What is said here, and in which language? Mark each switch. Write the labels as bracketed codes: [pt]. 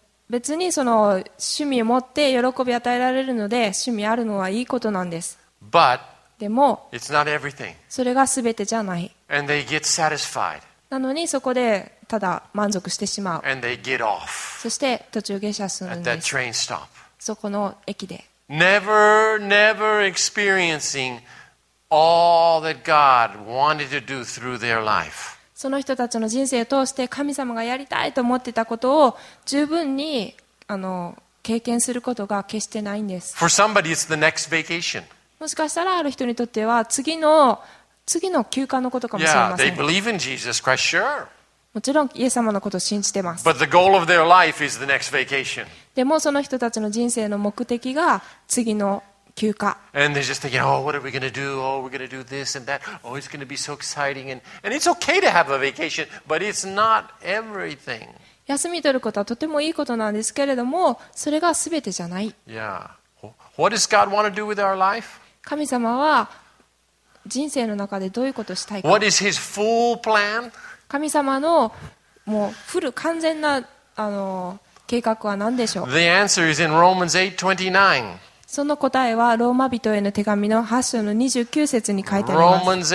[ja] 別にその趣味を持って喜び与えられるので、趣味あるのはいいことなんです。 [en] But [ja] でも、 [en] it's not everything. [ja] それが全てじゃない。 [en] And they get satisfied. [ja] なのにそこでただ満足してしまう。 [en] And they get off. [ja] そして途中下車するんです。 [en] At that train stop. [ja] そこの駅で。 [en] Never, never experiencing all that God wanted to do through their life. [ja] その人たちの人生を通して神様がやりたいと思ってたことを十分にあの経験することが決してないんです。 [en] For somebody, it's the next vacation. [ja] もしかしたらある人にとっては次の休暇のことかもしれません。 [en] Yeah, they believe in Jesus Christ, sure. [ja] もちろんイエス様のことを信じてます。 [en] But the goal of their life is the next vacation. [ja] でもその人たちの人生の目的が次の休暇。 [en] And they're just thinking, oh, what are we going to do? Oh, we're going to do this and that. Oh, it's going to be so exciting. And it's okay to have a vacation, but it's not everything. [ja] 休み取ることはとてもいいことなんですけれども、それが全てじゃない。 [en] Yeah. What does God want to do with our life? [ja] 神様は人生の中でどういうことをしたいか。 [en] What is his full plan? [ja] 神様のもうフル完全なあの計画は何でしょう。 [en] The answer is in Romans 8:29. [ja] その答えはローマ人への手紙の8章の29節に書いてあります。